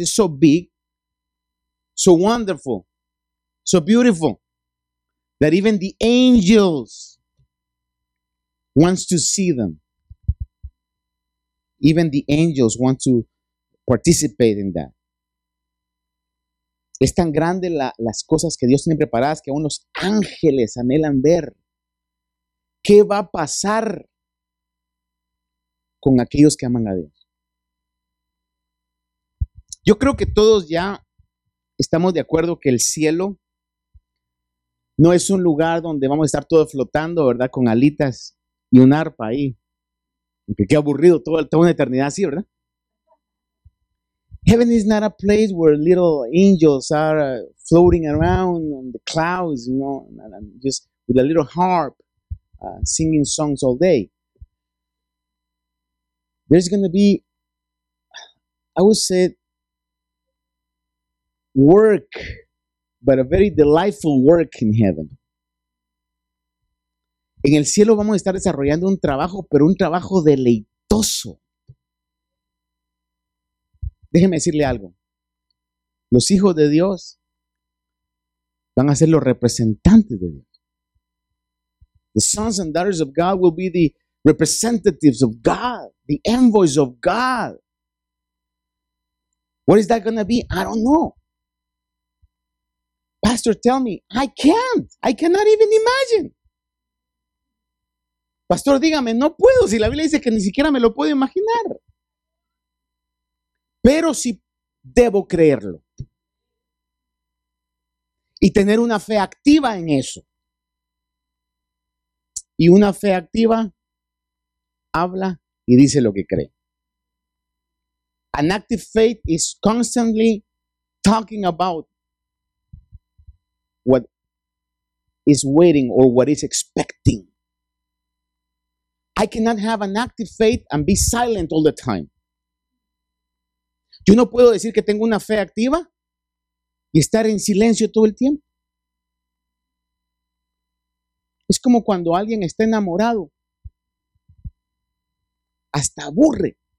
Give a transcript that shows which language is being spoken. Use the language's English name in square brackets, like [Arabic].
[English] It's so big, so wonderful, so beautiful, that even the angels wants to see them. Even the angels want to participate in that. [Spanish] Es tan grande las cosas que Dios tiene preparadas que aún los ángeles anhelan ver. ¿Qué va a pasar con aquellos que aman a Dios? Yo creo que todos ya estamos de acuerdo que el cielo no es un lugar donde vamos a estar todos flotando, ¿verdad? Con alitas y un arpa ahí. Porque qué aburrido, toda una eternidad así, ¿verdad? [English] Heaven is not a place where little angels are floating around on the clouds, you know, and just with a little harp, singing songs all day. There's going to be, I would say, work, but a very delightful work in heaven. [Spanish] En el cielo vamos a estar desarrollando un trabajo, pero un trabajo deleitoso. Déjeme decirle algo. Los hijos de Dios van a ser los representantes de Dios. [English] The sons and daughters of God will be the representatives of God, the envoys of God. What is that going to be? I don't know. Pastor, tell me. I can't. I cannot even imagine. [Spanish] Pastor, dígame, no puedo. Si la Biblia dice que ni siquiera me lo puedo imaginar. Pero sí debo creerlo. Y tener una fe activa en eso. Y una fe activa habla y dice lo que cree. [English] An active faith is constantly talking about what is waiting or what is expecting. I cannot have an active faith and be silent all the time. [Spanish] Yo no puedo decir que tengo una fe activa y estar en silencio todo el tiempo. Es como cuando alguien está enamorado. Hasta aburre.